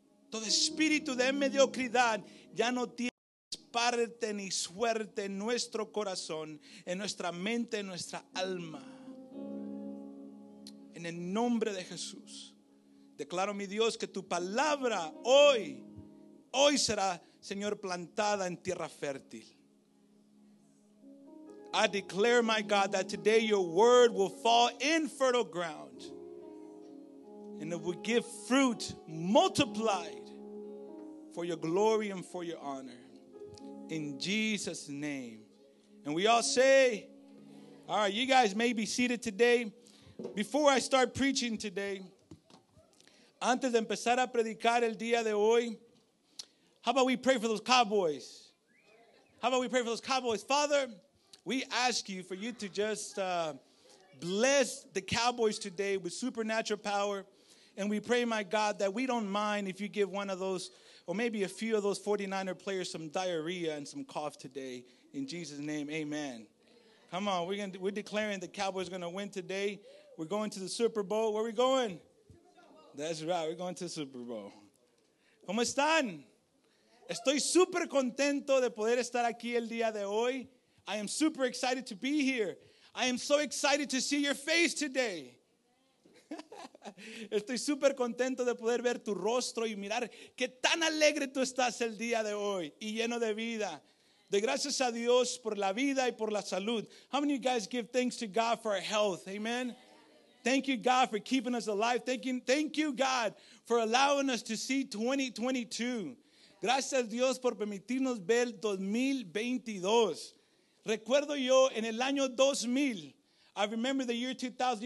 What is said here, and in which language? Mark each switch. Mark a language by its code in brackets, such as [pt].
[es] Todo espíritu de mediocridad ya no tiene parte ni suerte en nuestro corazón, en nuestra mente, en nuestra alma. En el nombre de Jesús, declaro, mi Dios, que tu palabra hoy será, Señor, plantada en tierra fértil. [en] I declare, my God, that today your word will fall in fertile ground and it will give fruit multiplied for your glory and for your honor. In Jesus' name. And we all say, all right, you guys may be seated today. Before I start preaching today, [es] antes de empezar a predicar el día de hoy, [en] how about we pray for those Cowboys? How about we pray for those Cowboys? Father, we ask you for you to just bless the Cowboys today with supernatural power. And we pray, my God, that we don't mind if you give one of those, or maybe a few of those 49er players, some diarrhea and some cough today. In Jesus' name, amen. Come on, we're declaring the Cowboys are going to win today. We're going to the Super Bowl. Where are we going? That's right, we're going to the Super Bowl. [es] ¿Cómo están? Estoy super contento de poder estar aquí el día de hoy. [en] I am super excited to be here. I am so excited to see your face today. [es] Estoy super contento de poder ver tu rostro y mirar qué tan alegre tú estás el día de hoy y lleno de vida. De gracias a Dios por la vida y por la salud. [en] How many of you guys give thanks to God for our health? Amen. Thank you, God, for keeping us alive. Thank you, God, for allowing us to see 2022. [es] Gracias, Dios, por permitirnos ver 2022. Recuerdo yo en el año 2000. [en] I remember the year 2000.